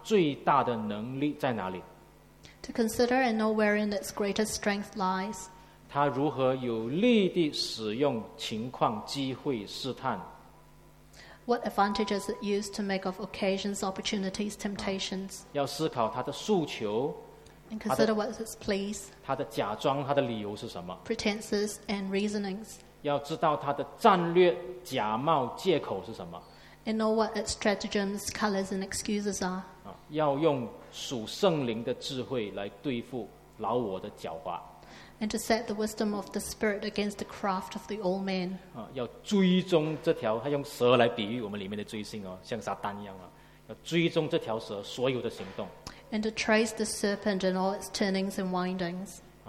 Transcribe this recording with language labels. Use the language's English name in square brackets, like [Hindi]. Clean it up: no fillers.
[Chinese] 然后要思考和认识他最大的能力在哪里, [English] to consider and know wherein its greatest strength lies. [Chinese] 他如何有力地使用情况、机会、试探。 [English] What advantages it used to make of occasions, opportunities, temptations? [Chinese] 要思考他的诉求, [English] and consider what its pleas, [Chinese] 他的假装, 他的理由是什么, [English] pretenses and reasonings. [Chinese] 要知道他的战略, 假冒借口是什么, [English] and know what its stratagems, colors, and excuses are. [Chinese] 要用属圣灵的智慧来对付老我的狡猾, [English] and to set the wisdom of the Spirit against the craft of the old man. [Chinese] 要追踪这条，他用蛇来比喻我们里面的罪性哦，像撒旦一样啊，要追踪这条蛇所有的行动。 [English] And to trace the serpent and all its turnings and windings.